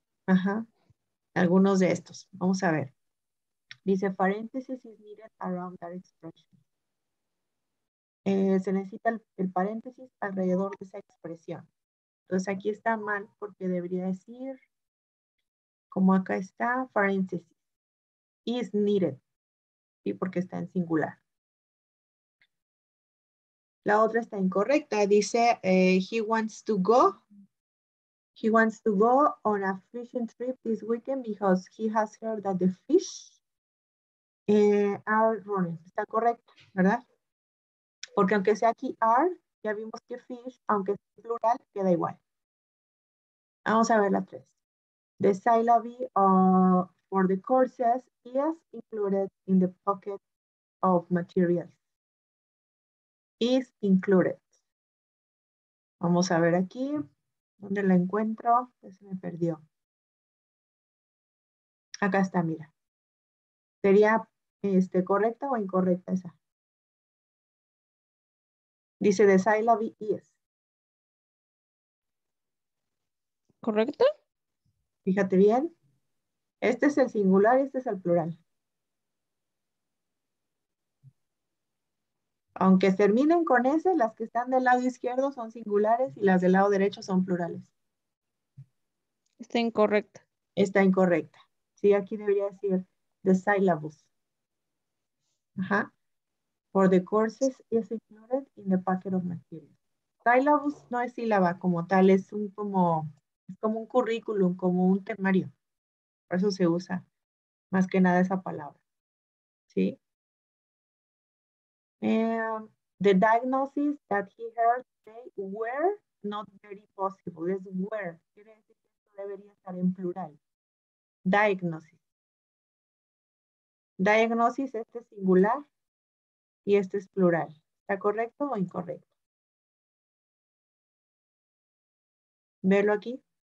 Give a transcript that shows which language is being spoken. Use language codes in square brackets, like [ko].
[es] Ajá. Algunos de estos. Vamos a ver. Dice, paréntesis [en] is needed around that expression. [es] Se necesita el paréntesis alrededor de esa expresión. Entonces aquí está mal porque debería decir, como acá está, paréntesis, [en] is needed, [es] ¿sí? Porque está en singular. La otra está incorrecta, dice, [en] he wants to go on a fishing trip this weekend because he has heard that the fish are running. [es] Está correcto, ¿verdad? Porque aunque sea aquí are, ya vimos que fish, aunque sea plural, queda igual. Vamos a ver la tres. [en] The syllabi for the courses is included in the pocket of materials. Is included. [es] Vamos a ver aquí. ¿Dónde la encuentro? Se me perdió. Acá está, mira. ¿Sería correcta o incorrecta esa? Dice [en] the syllabi is. [es] ¿Correcto? Fíjate bien. Este es el singular, este es el plural. Aunque terminen con S, las que están del lado izquierdo son singulares y las del lado derecho son plurales. Está incorrecta. Está incorrecta. Sí, aquí debería decir the syllabus. [en] Ajá. For the courses is included in the packet of materials. [es] Syllabus no es sílaba como tal, es un como un currículum, como un temario. Por eso se usa más que nada esa palabra. ¿Sí? [en] The diagnosis that he heard today were not very possible. [es] Es were. Quiere decir que esto debería estar en plural. Diagnosis. Diagnosis, este es singular y este es plural. ¿Está correcto o incorrecto? Velo aquí.